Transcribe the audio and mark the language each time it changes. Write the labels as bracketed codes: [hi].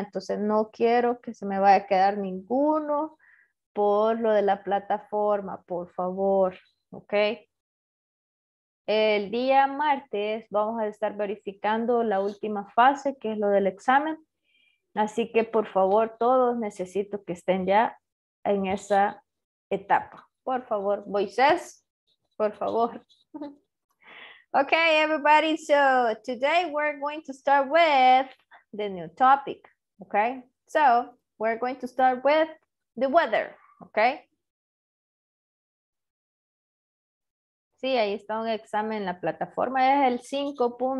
[es] Entonces no quiero que se me vaya a quedar ninguno por lo de la plataforma, por favor, ¿ok? El día martes vamos a estar verificando la última fase, que es lo del examen. Así que por favor, todos necesito que estén ya en esa etapa. Por favor, Moisés, por favor. [en] Okay, everybody, so today we're going to start with the new topic, okay? So we're going to start with the weather, okay? [es] Sí, ahí está un examen en la plataforma, es el 5.